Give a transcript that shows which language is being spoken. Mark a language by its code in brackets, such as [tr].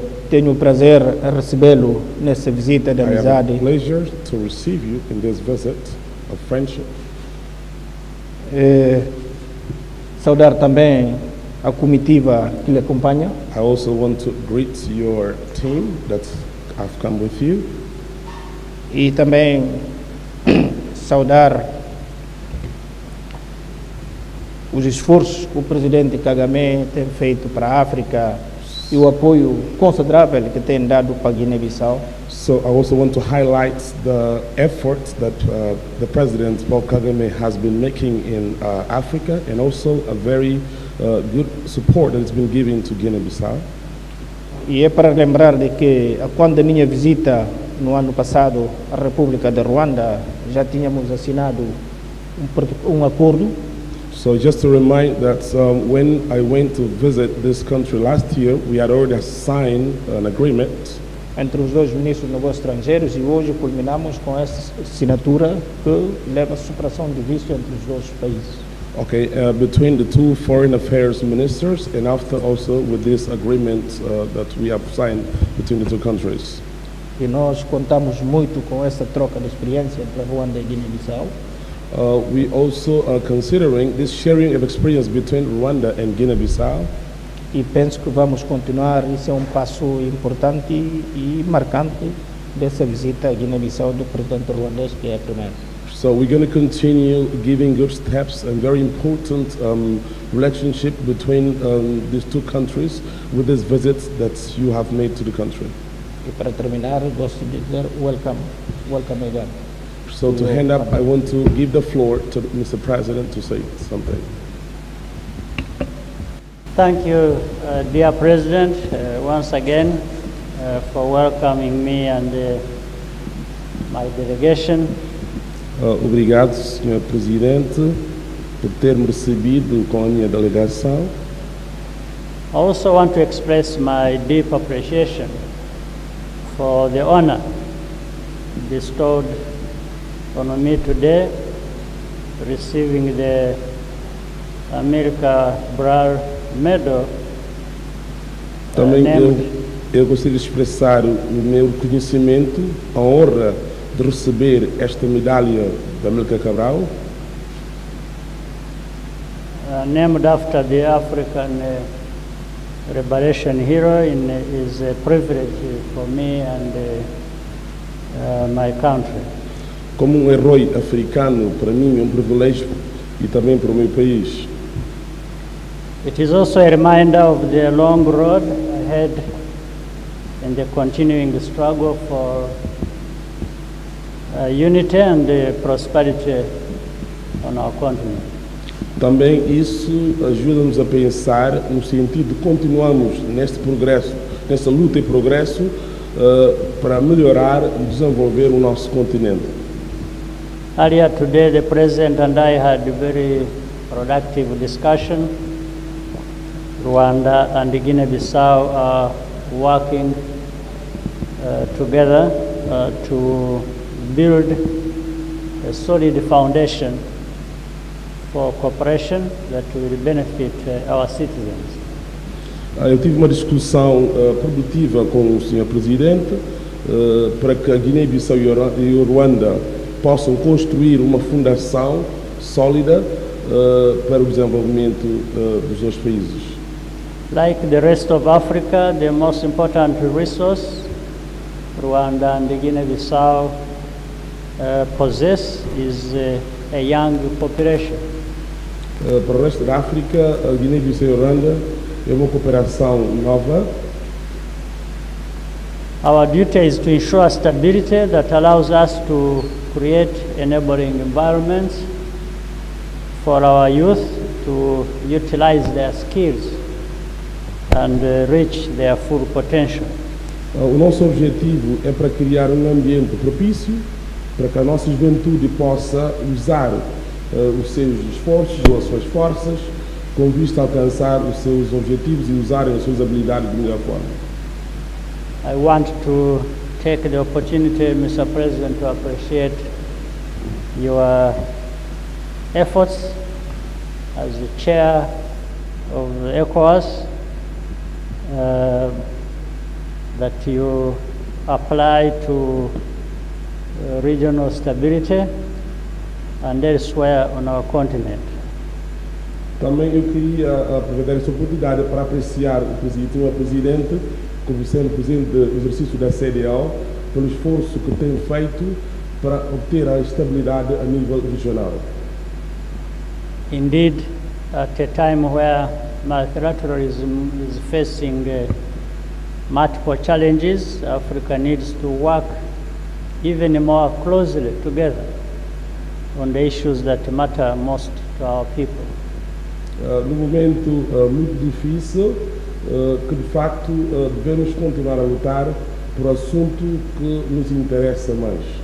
[pt] Tenho prazer a recebê-lo nessa visita de amizade. [en] I have a pleasure to receive you in this visit of friendship. [pt] Saudar também a comitiva que lhe acompanha. [en] I also want to greet your team that have come with you. [pt] E também saudar os esforços que o presidente Kagame tem feito para a África e o apoio considerável que tem dado para a Guiné-Bissau. [en] So I also want to highlight the efforts that the president Paul Kagame has been making in Africa, and also a very good support that it's been giving to Guinea-Bissau. [pt] E é para lembrar de que quando a minha visita no ano passado à República de Ruanda, já tínhamos assinado um acordo. [en] So just to remind that when I went to visit this country last year, we had already signed an agreement [pt] entre os dois ministros de negócios estrangeiros, e hoje culminamos com essa assinatura que leva à supressão de visto entre os dois países. [en] Okay, between the two foreign affairs ministers, and after also with this agreement that we have signed between the two countries. [pt] E nós contamos muito com essa troca de experiência entre Ruanda e Guiné-Bissau. [en] We also are considering this sharing of experience between Rwanda and Guinea-Bissau. [pt] E penso que vamos continuar, isso é passo importante e marcante dessa visita à Guiné-Bissau do presidente ruandês, que é a primeira. [en] So we're going to continue giving good steps and very important relationship between these two countries with this visit that you have made to the country. [pt] E para terminar, gosto de dizer [en] welcome again. So to hand up, I want to give the floor to Mr. President to say something. Thank you, dear President, once again for welcoming me and my delegation. [pt] Obrigado, Sr. Presidente, por ter me recebido com a minha delegação. [en] I also want to express my deep appreciation for the honor bestowed on me today, receiving the America Brawl Medal. [pt] Também eu gostaria de expressar o meu reconhecimento, a honra de receber esta medalha da América Cabral. [en] Named after the African Liberation Hero, is a privilege for me and my country. [pt] Como herói africano, para mim é privilégio e também para o meu país. [en] It is also a reminder of the long road ahead and the continuing struggle for unity and the prosperity on our continent. [pt] Também isso ajuda-nos a pensar no sentido de continuarmos neste progresso, nessa luta e progresso para melhorar e desenvolver o nosso continente. [en] Earlier today, the President and I had a very productive discussion. Rwanda and Guinea-Bissau are working together to build a solid foundation for cooperation that will benefit our citizens. [pt] Eu tive uma discussão produtiva com o Sr. Presidente para que a Guiné-Bissau e o Rwanda possam construir uma fundação sólida para o desenvolvimento dos dois países. [en] Like the rest of Africa, the most important resource Rwanda and Guinea-Bissau possess is a young population. [pt] Para o resto da África, a Guiné-Bissau e Rwanda é uma cooperação nova. [en] Our duty is to ensure stability that allows us to create enabling environments for our youth to utilize their skills and reach their full potential. [pt] O nosso objetivo é para criar ambiente propício para que a nossa juventude possa usar os seus esforços ou as suas forças com vista a alcançar os seus objetivos e usarem as suas habilidades de melhor forma. [en] I want to take the opportunity, Mr. President, to appreciate your efforts as the chair of the ECOWAS, that you apply to regional stability, and elsewhere on our continent. [pt] Também eu queria aproveitar essa oportunidade para apreciar o presidente, como sendo presidente do exercício da CDAO, pelo esforço que tem feito para obter a estabilidade a nível regional. [en] Indeed, at a time where multilateralism is facing multiple challenges, Africa needs to work even more closely together on the issues that matter most to our people. [pt] No momento muito difícil, que de facto devemos continuar a lutar por assunto que nos interessa mais.